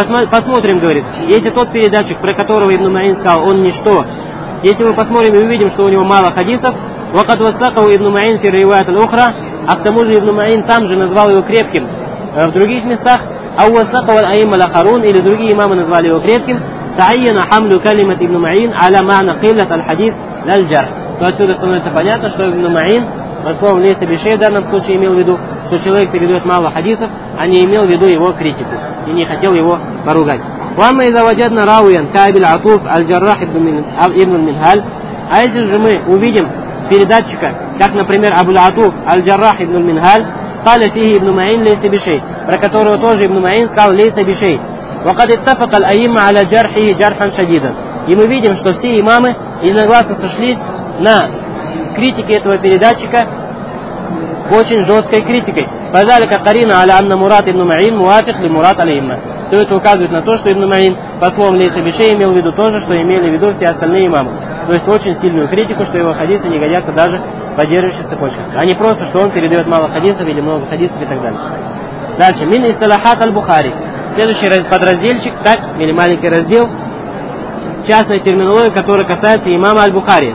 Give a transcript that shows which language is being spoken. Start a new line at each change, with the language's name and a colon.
Russian: Посмотрим, говорит, если тот передатчик, про которого ибн Ма'ин сказал, он ничто, если мы посмотрим и увидим, что у него мало хадисов,
Arabic: وقد وثقه ابن معين في روايات الاخرى اختموز ابن معين
Russian: сам же назвал его крепким в других местах
Arabic: او وثقه الائمه الاخرون
Russian: или другие имамы назвали его крепким
Arabic: تعين حمل كلمه ابن معين على معنى قله الحديث للجرح.
Russian: То отсюда становится понятно, что ибн Ма'ин под словом лейса бишей в данном случае имел в виду, что человек передает мало хадисов, а не имел в виду его критику и не хотел его поругать.
Arabic: واما اذا وجدنا راويا كابي العطوف الجراح ابن منهل,
Russian: а если же мы увидим передатчика, как, например, Абу-Л-Ату Аль-Джаррах ибн Аль-Минхаль,
Arabic: قال فيه ابن معين ليس بشيء
Russian: про которого тоже
Arabic: ابن معين
Russian: сказал
Arabic: ليس بشيء وقد اتفق الأئمة على جرحه جرحا شديدا.
Russian: И мы видим, что все имамы единогласно сошлись на критике этого передатчика очень жесткой критикой.
Arabic: فذلك قرين على أن مراد ابن معين موافق لمراد الأئمة.
Russian: То есть указывает на то, что ابن معين по словам
Arabic: ليس بشيء
Russian: имел в виду то же, что имели в виду все остальные имамы. То есть очень сильную критику, что его хадисы не годятся даже поддерживающих цепочках. А не просто, что он передает мало хадисов или много хадисов и так далее. Дальше.
Arabic: Мин исталахат аль-Бухари.
Russian: Следующий подразделчик, так, или маленький раздел, частная терминология, которая касается имама аль-Бухари.